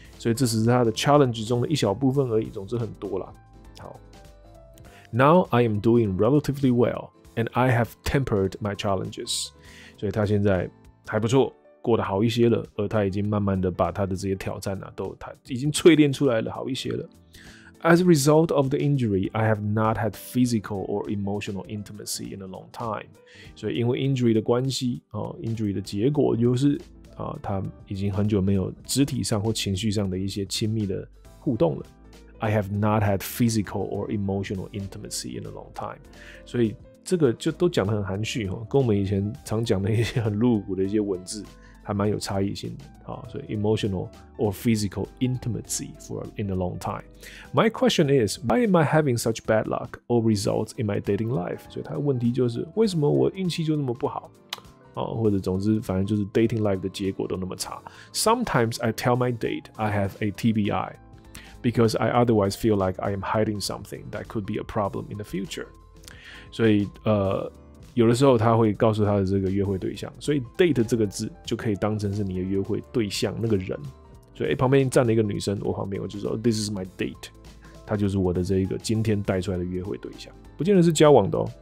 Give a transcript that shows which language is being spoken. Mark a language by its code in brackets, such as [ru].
[zh] 所以这只是他的 challenge 中的一小部分而已，总之很多啦。好。 [en] Now I am doing relatively well, and I have tempered my challenges. [zh] 所以他现在还不错，过得好一些了，而他已经慢慢的把他的这些挑战啊，都他已经淬炼出来了，好一些了。 [en] As a result of the injury, I have not had physical or emotional intimacy in a long time. [zh] 所以因为 injury 的关系，哦 ，injury 的结果就是啊，他已经很久没有肢体上或情绪上的一些亲密的互动了。 [en] I have not had physical or emotional intimacy in a long time. [zh] 所以这个就都讲得很含蓄，跟我们以前常讲的一些很露骨的一些文字还蛮有差异性的。 [en] 所以 emotional or physical intimacy in a long time. My question is, why am I having such bad luck or results in my dating life? [zh] 所以他的问题就是为什么我运气就那么不好，或者总之反正就是 dating life 的结果都那么差。 [en] Sometimes I tell my date I have a TBI. Because I otherwise feel like I am hiding something that could be a problem in the future. [zh] 所以有的时候他会告诉他的这个约会对象，所以 date 这个字就可以当成是你的约会对象那个人。所以旁边站了一个女生，我旁边我就说 This is my date. 他就是我的这一个今天带出来的约会对象，不见得是交往的哦。